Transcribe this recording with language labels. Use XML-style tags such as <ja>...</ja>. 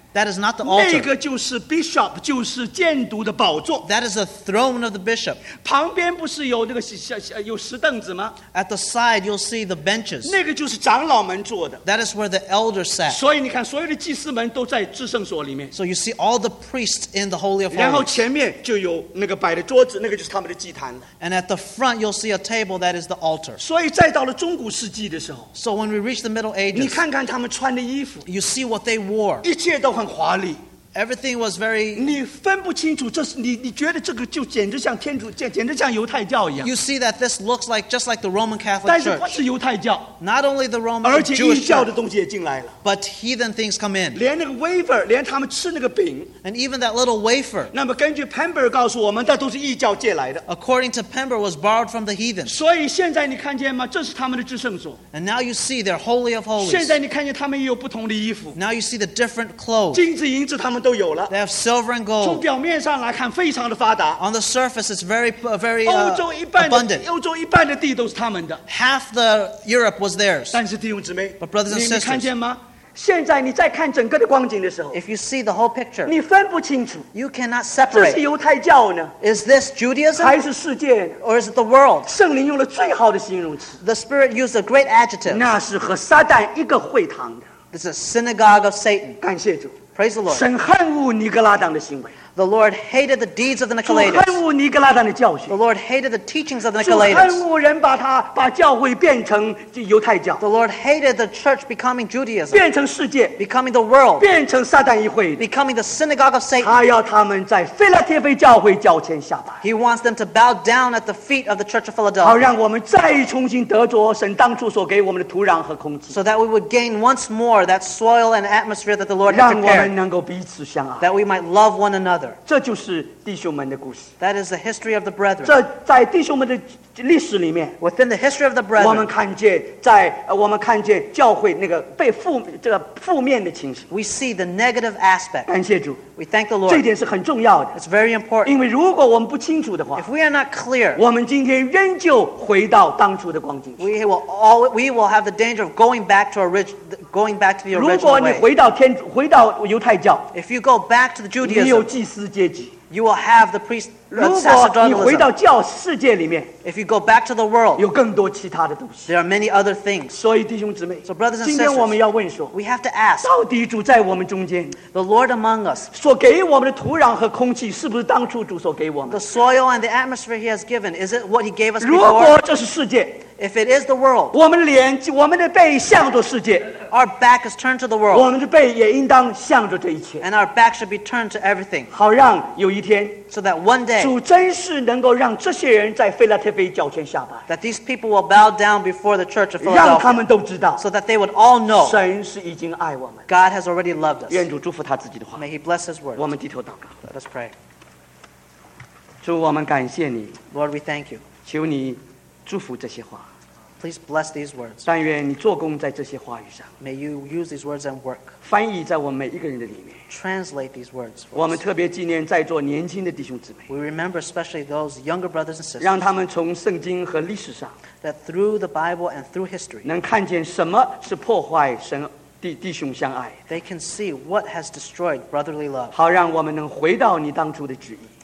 <en>That is not the altar.</en> <zh>那个就是 bishop， 就是监督的宝座。</zh> <en>That is the throne of the bishop.</en> <zh>旁边不是有那个有石凳子吗？</zh> <en>At the side, you'll see the benches.</en> <zh>那个就是长老们坐的。</zh> <en>That is where the elders sat.</en> <zh>所以你看，所有的祭司们都在至圣所里面。</zh> <en>So you see all the priests in the holy of holies.</en> <zh>然后前面就有那个摆的桌子，那个就是他们的祭坛。</zh> <en>And at the front, you'll see a table that is the altar.</en> <zh>所以再到了中古世纪的时候。</zh> <en>So when we reach the Middle Ages.</en> <zh>你看看他们穿的衣服。</zh> <en>You see what they wore.</en> <zh>一切都很华丽。</zh> <en>Everything was very.</en> <zh>你分不清楚，这是你觉得这个就简直像天主教，简直像犹太教一样。</zh> <en>You see that this looks like just like the Roman Catholic Church.</en> <zh>但是不是犹太教。</zh> <en>Not only the Roman.</en> <zh>而且异教的东西也进来了。</zh> <en>But heathen things come in.</en> <zh>连那个 wafer， 连他们吃那个饼。</zh> <en>And even that little wafer.</en> <zh>那么根据 Pember 告诉我们，那都是异教借来的。</zh> <en>According to Pember, was borrowed from the heathen.</en> <zh>所以现在你看见吗？这是他们的至圣所。</zh> <en>And now you see their holy of holies.</en> <zh>现在你看见他们也有不同的衣服。</zh> <en>Now you see the different clothes.</en> <zh>金子银子他们都。</zh> <en>They have silver and gold.</en> <zh>从表面上来看，非常的发达。</zh> <en>On the surface, it's very abundant.</en> <zh>欧洲一半的地都是他们的。</zh> <en>Half the Europe was theirs.</en> <zh>但是弟兄姊妹，</zh> <en>but brothers and sisters,</en> <zh>你看见吗？现在你再看整个的光景的时候，</zh> <en>if you see the whole picture,</en> <zh>你分不清楚。</zh> <en>You cannot separate.</en> <zh>这是犹太教呢？</zh> <en>Is this Judaism?</en> <zh>还是世界？</zh> <en>Or is it the world?</en> <zh>圣灵用了最好的形容词。</zh> <en>The Spirit used a great adjective.</en> <zh>那是和撒旦一个会堂的。</zh> <en>This is a synagogue of Satan.</en> <zh>感谢主。</zh> <en>Praise the Lord.</en> <zh>神恨恶尼格拉党的行为。</zh> <en>The Lord hated the deeds of the Nicolaitans.</en> <zh>主恨恶尼格拉党的教训。</zh> <en>The Lord hated the teachings of the Nicolaitans.</en> <zh>主恨恶人把教会变成犹太教。</zh> <en>The Lord hated the church becoming Judaism.</en> <zh>变成世界。</zh> <en>Becoming the world.</en> <zh>变成撒旦议会。</zh> <en>Becoming the synagogue of Satan.</en> <zh>他要他们在腓拉铁菲教会脚前下拜。</zh> <en>He wants them to bow down at the feet of the Church of Philadelphia.</en> <zh>好让我们再重新得着神当初所给我们的土壤和空气。</zh> <en>So that we would gain once more that soil and atmosphere that the Lord had prepared.</en> <zh>让我们能够彼此相爱。</zh> <en>That we might love one another.</en> <zh>这就是弟兄们的故事。</zh> <en>That is the history of the brethren.</en> <zh>这在弟兄们的历史里面。</zh> <en>Within the history of the brethren.</en> <zh>我们看见教会那个被负这个负面的情形。</zh> <en>We see the negative aspect.</en> <zh>感谢主。</zh> <en>We thank the Lord.</en> <zh>这点是很重要的。</zh> <en>It's very important.</en> <zh>因为如果我们不清楚的话。</zh> <en>If we are not clear.</en> <zh>我们今天仍旧回到当初的光景。</zh> <en>We will have the danger of going back to original. Going back to the original way.</en> <zh>如果你回到天主，回到犹太教，</zh> <en>if you go back to the Judaism,</en> <zh>你有祭司阶级。</zh> <en>You will have the priest.</en> <zh>如果你回到教世界里面，</zh> <en>if you go back to the world,</en> <zh>有更多其他的东西。</zh> <en>There are many other things.</en> <zh>所以弟兄姊妹，</zh> <en>so brothers and sisters,</en> <zh>今天我们要问说，</zh> <en>we have to ask,</en> <zh>到底主在我们中间，</zh> <en>the Lord among us,</en> <zh>所给我们的土壤和空气是不是当初主所给我们？</zh> <en>The soil and the atmosphere He has given, is it what He gave us before?</en> <zh>如果这是世界。</zh> <en>If it is the world,</en> <zh>我们脸，我们的背向着世界。</zh> <en>Our back is turned to the world.</en> <zh>我们的背也应当向着这一切。</zh> <en>And our back should be turned to everything.</en> <zh>好让有一天，</zh> <en>so that one day,</en> <zh>主真是能够让这些人在腓拉铁菲脚前下拜。</zh> <en>That these people will bow down before the church of Philadelphia.</en> <zh>让他们都知道，</zh> <en>so that they would all know.</en> <zh>神是已经爱我们。</zh> <en>God has already loved us.</en> <zh>愿主祝福他自己的话。</zh> <en>May He bless His word.</en> <zh>我们低头祷告。</zh> <en>Let us pray.</en> <zh>主，我们感谢你。</zh> <en>Lord, we thank you.</en> <zh>求你祝福这些话。</zh> <en>Please bless these words.</en> <zh>但愿你做工在这些话语上。</zh> <en>May you use these words and work.</en> <zh>翻译在我们每一个人的里面。</zh> <en>Translate these words.</en> <zh>我们特别纪念在座年轻的弟兄姊妹。</zh> <en>We remember especially those younger brothers and sisters.</en> <zh>让他们从圣经和历史上。</zh> <en>That through the Bible and through history.</en> <zh>能看见什么是破坏神弟兄相爱。</zh> <en>They can see what has destroyed brotherly love.</en> <zh>好让我们能回到你当初的旨意。</zh>